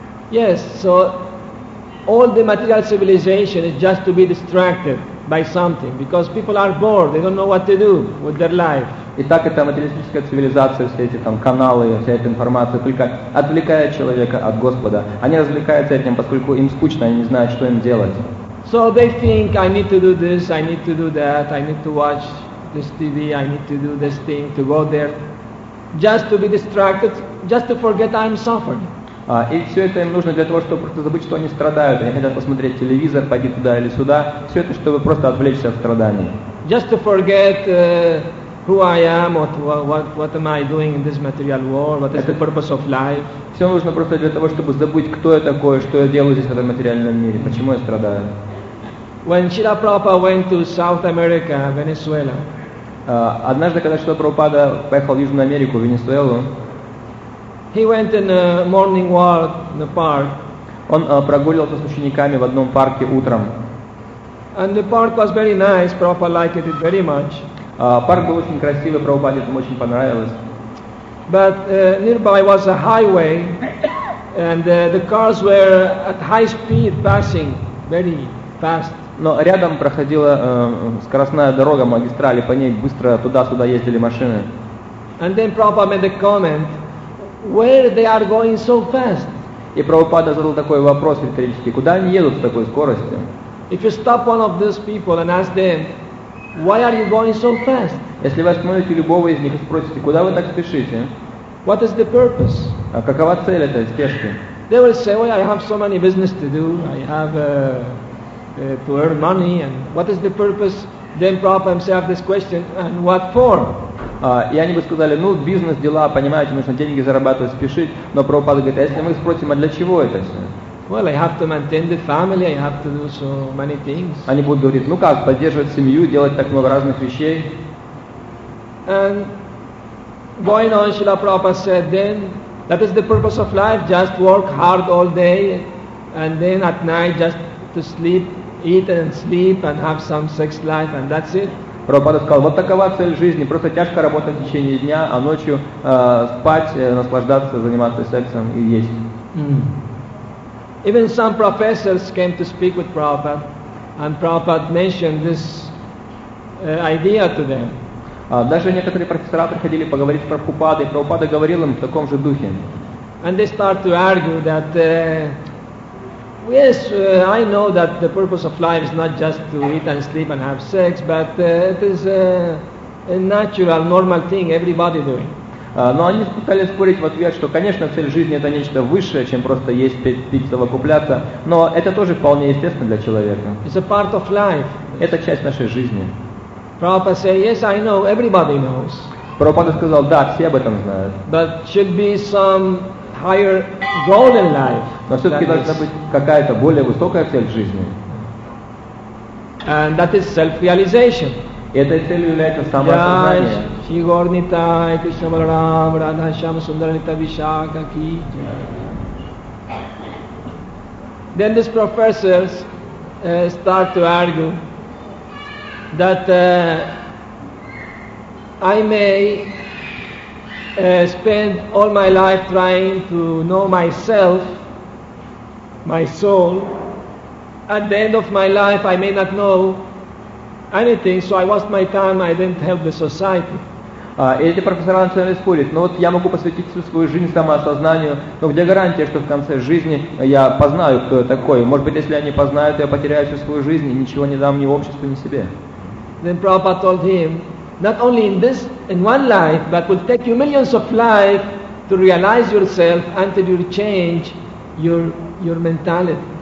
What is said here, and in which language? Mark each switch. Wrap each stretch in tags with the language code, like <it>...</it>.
<en>Yes, so all the material civilization is just to be distracted by something because people are bored, they don't know what to do with their life.</en> <ru>Итак, эта материалистическая цивилизация, все эти там каналы, вся эта информация только отвлекает человека от Господа. Они развлекаются этим, поскольку им скучно, они не знают, что им делать.</ru> <en>So they think, I need to do this, I need to do that, I need to watch this TV, I need to do this thing, to go there, just to be distracted, just to forget I'm suffering.</en> <ru>И все это им нужно для того, чтобы просто забыть, что они страдают. Они хотят посмотреть телевизор, пойти туда или сюда. Все это, чтобы просто отвлечься от страданий.</ru> <en>Just to forget who I am, what am I doing in this material world, what is the purpose of life.</en> <ru>Все нужно просто для того, чтобы забыть, кто я такой, что я делаю здесь в этом материальном мире, почему я страдаю.</ru> <en>When Srila Prabhupada went to South America, Venezuela.</en> <ru>Однажды, когда Srila Prabhupada поехал в Южную Америку, в Венесуэлу,</ru> <en>he went in a morning walk in the park.</en> <ru>Он прогуливался с учениками в одном парке утром.</ru> <en>And the park was very nice. Prabhupada liked it very much.</en> <ru>Парк был очень красивый. Прабхупаде там очень понравилось.</ru> <en>But nearby was a highway, and the cars were at high speed passing, very fast.</en> <ru>Но рядом проходила скоростная дорога, магистраль, и по ней быстро туда-сюда ездили машины.</ru> <en>And then Prabhupada made a comment. Where they are going so fast?</en> <ru>И Прабхупада задал такой вопрос риторический: куда они едут с такой скоростью?</ru> <en>If you stop one of these people and ask them, why are you going so fast?</en> <ru>Если вы остановите любого из них и спросите, куда вы так спешите?</ru> <en>What is the purpose?</en> <ru>А какова цель этой спешки?</ru> <en>They will say, well, I have so many business to do. I have to earn money. And what is the purpose? Then Prabhupada himself this question, and what for?</en> <ru>И они бы сказали, ну, бизнес, дела, понимаете, нужно деньги зарабатывать, спешить. Но Прабхупада говорит, а если мы спросим, а для чего это все?</ru> <en>Well, I have to maintain the family, I have to do so many things.</en> <ru>Они будут говорить, ну как, поддерживать семью, делать так много разных вещей.</ru> <en>And going on, Srila Prabhupada said then, that is the purpose of life, just work hard all day, and then at night just to sleep, eat and sleep, and have some sex life, and that's it.</en> <ru>Прабхупада сказал, вот такова цель жизни, просто тяжко работать в течение дня, а ночью спать, наслаждаться, заниматься сексом и есть. Mm.</ru> <en>Even some professors came to speak with Prabhupada, and Prabhupada mentioned this idea to them.</en> <ru>Даже некоторые профессора приходили поговорить с Прабхупадой, и Прабхупада говорил им в таком же духе.</ru> <en>And they start to argue that, yes, I know that the purpose of life is not just to eat and sleep and have sex, but it is a natural, normal thing everybody doing.</en> <ru>Но они пытались спорить в ответ, что, конечно, цель жизни — это нечто высшее, чем просто есть, пить, совокупляться, но это тоже вполне естественно для человека.</ru> <en>It's a part of life.</en> <ru>Это часть нашей жизни.</ru> <en>Prabhupada said, yes, I know, everybody knows.</en> <ru>Прабхупада сказал, да, все об этом знают.</ru> <en>But should be some higher goal in life.</en> <ru>Но все-таки должна быть какая-то более высокая цель в жизни.</ru> <en>And that is self-realization.</en> <ru>Этой целью является самоосознание.</ru> <en>Shri Gaur Nitai, Krishna Balaram, Radha Shyama Sundara Nita Vishakha Ki. Then these professors start to argue that I may spend all my life trying to know myself, my soul. At the end of my life, I may not know anything, so I waste my time, I didn't help the society.</en> <ru>Эти профессора начинали спорить, ну вот я могу посвятить всю свою жизнь самоосознанию, но где гарантия, что в конце жизни я познаю, кто я такой? Может быть, если я не познаю, то я потеряю всю свою жизнь и ничего не дам ни обществу, ни себе.</ru> <en>Then Prabhupada told him, not only in this, in one life, but will take you millions of life to realize yourself until you change your mentality.</en>